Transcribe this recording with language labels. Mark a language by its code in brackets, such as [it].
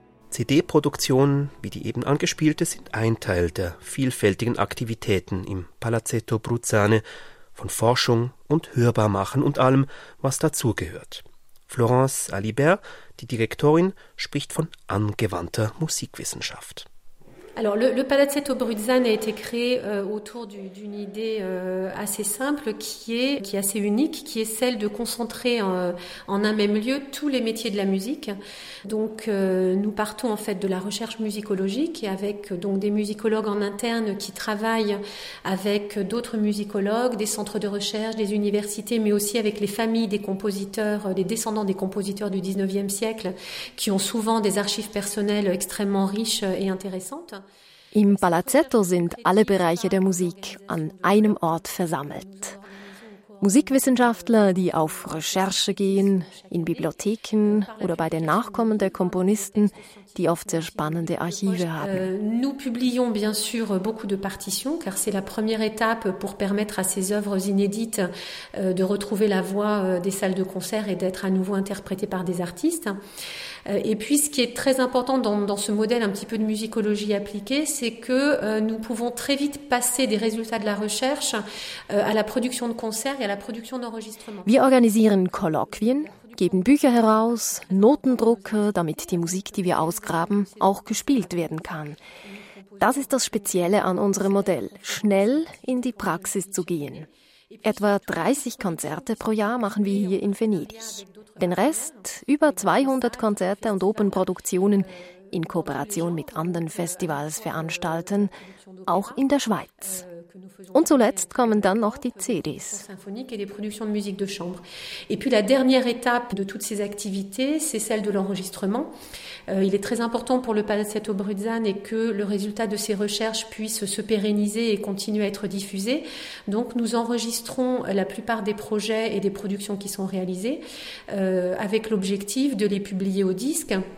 [de] CD-Produktionen, wie die eben angespielte, sind ein Teil der vielfältigen Aktivitäten im Palazzetto Bruzzane, von Forschung und Hörbarmachen und allem, was dazugehört. Florence Alibert, die Direktorin, spricht von angewandter Musikwissenschaft. [fr] Alors le Palazzetto Bruzzane a été créé autour d'une idée assez simple qui est assez unique, qui est celle de concentrer en un même lieu tous les métiers de la musique. Donc nous partons en fait de la recherche musicologique et avec donc des musicologues en interne qui travaillent avec d'autres musicologues, des centres de recherche, des universités, mais aussi avec les familles des compositeurs, des descendants des compositeurs du 19e siècle qui ont souvent des archives personnelles extrêmement riches et intéressantes. [de] Im Palazzetto sind alle Bereiche der Musik an einem Ort versammelt. Musikwissenschaftler, die auf Recherche gehen, in Bibliotheken oder bei den Nachkommen der Komponisten, die oft sehr spannende Archive haben. [fr] Nous publions bien sûr beaucoup de partitions, car c'est la première étape pour permettre à ces œuvres inédites de retrouver la voix des salles de concert et d'être à nouveau interprétées par des artistes. Et puis, ce qui est très important dans ce modèle un petit peu de musicologie appliquée, c'est que nous pouvons très vite passer des résultats de la recherche à la production de concerts et à la production d'enregistrements. [de] Wir organisieren Kolloquien, geben Bücher heraus, Notendrucke, damit die Musik, die wir ausgraben, auch gespielt werden kann. Das ist das Spezielle an unserem Modell, schnell in die Praxis zu gehen. Etwa 30 Konzerte pro Jahr machen wir hier in Venedig. Den Rest, über 200 Konzerte und Opernproduktionen, in Kooperation mit anderen Festivals veranstalten, auch in der Schweiz. Und zuletzt kommen dann noch die CDs. [fr] Symphonique et des productions de musique de chambre. Et puis la dernière étape de toutes ces activités, c'est celle de l'enregistrement. Il est très important pour le Palazzetto Bruzzani que le résultat de ces recherches puisse se pérenniser et continuer à être diffusé. Donc nous enregistrons la plupart des projets et des productions qui sont réalisées avec l'objectif de les publier au disque.